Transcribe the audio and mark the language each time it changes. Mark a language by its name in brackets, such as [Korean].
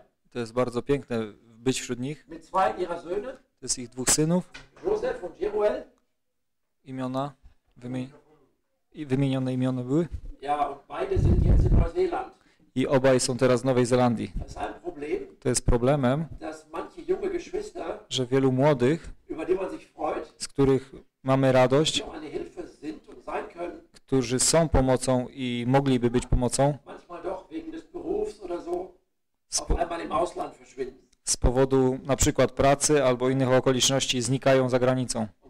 [Polish] To jest bardzo piękne być wśród nich. To jest ich dwóch synów. [German] Joseph und Jeruel. [Polish] Imiona, wymienione imiona były. [German] Ja, und beide sind jetzt in Neuseeland. [Polish] I obaj są teraz w Nowej Zelandii. [German] Das ist ein Problem, [Polish] to jest problemem, [German] dass manche junge Geschwister, [Polish] że wielu młodych, [German] über die man sich freut, [Polish] z których mamy radość, [German] die auch eine Hilfe sind und sein können, [Polish] którzy są pomocą i mogliby być pomocą, [German] manchmal doch wegen des Berufs oder so, auf einmal im Ausland verschwinden. [Polish] Z powodu na przykład pracy albo innych okoliczności znikają za granicą.